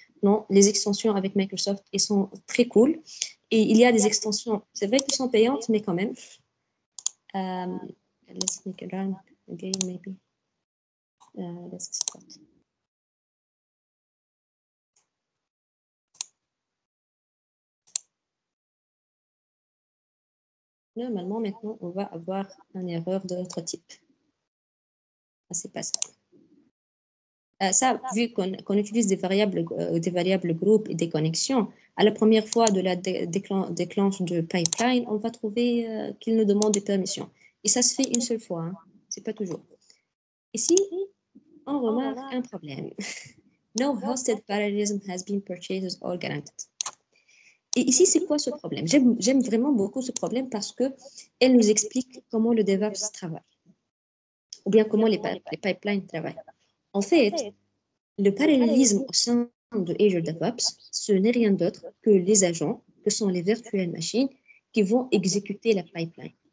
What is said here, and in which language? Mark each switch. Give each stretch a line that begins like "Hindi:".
French: Non, les extensions avec Microsoft, elles sont très cool. Et il y a des extensions, c'est vrai qu'elles sont payantes, mais quand même.
English: Let's make a run again, maybe. Let's start.
French: Normalement, maintenant, on va avoir une erreur de notre type. Ah, c'est pas ça. Ça, vu qu'on utilise des variables groupe et des connexions, à la première fois de la déclenche de pipeline, on va trouver qu'il nous demande des permissions. Et ça se fait une seule fois, hein. C'est pas toujours. Ici, on remarque un problème.
English: No hosted parallelism has been purchased or guaranteed.
French: Et ici, c'est quoi ce problème? J'aime vraiment beaucoup ce problème parce qu'elle nous explique comment le DevOps travaille. Ou bien comment les pipelines travaillent. En fait, le parallélisme au sein de Azure DevOps, ce n'est rien d'autre que les agents, que sont les virtual machines, qui vont exécuter la pipeline.